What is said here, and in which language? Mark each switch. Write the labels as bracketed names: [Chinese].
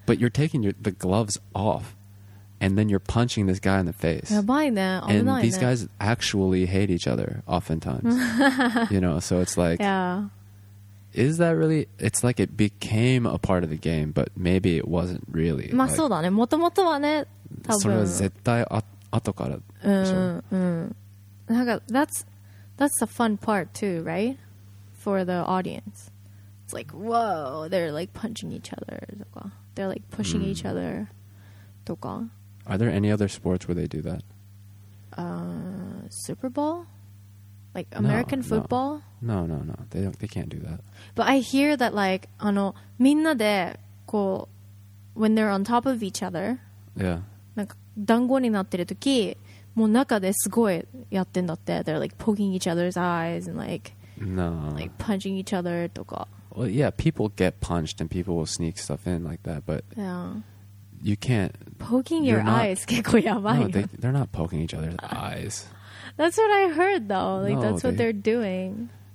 [English] But you're taking the gloves off and then you're punching this guy in the face. [Japanese] やばいね。危ないね。 [English] And these guys actually hate each other oftentimes. You know, so it's like, yeah. Is that really, it's like it became a part of the game, but maybe it wasn't really. [Japanese] まあ、like, そうだね。もともとはね、多分。それは絶対後からでしょ。 [English] なんか、that's the fun part too, right? For the audience. Like, whoa, they're like punching each other, they're like pushing each other. Are there any other sports where they do that? Super Bowl, like American football? No, they don't, they can't do that. But I hear that, like, [Japanese] みんなでこう [English] when they're on top of each other, yeah, [Japanese] なんか団子になってる時もう中ですごいやってんだって。 [English] They're like poking each other's eyes and like, no, like punching each other. Well, yeah, people get punched and people will sneak stuff in like that, but yeah. You can't... Poking your eyes, [Japanese] 結構やばいよ。 [English] No, they're not poking each other's eyes. That's what I heard, though. Like, no, that's what they're doing.